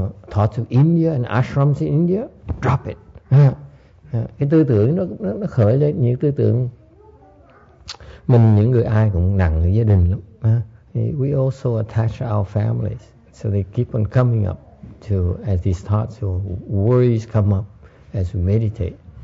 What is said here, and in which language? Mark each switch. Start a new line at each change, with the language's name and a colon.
English: Thoughts of India and ashrams in India, drop it.
Vietnamese: Cái tư tưởng nó khởi lên, những tư tưởng mình những người ai cũng nặng ở gia đình lắm.
English: We also attach our families, so they keep on coming up to as these thoughts or worries come up as we meditate.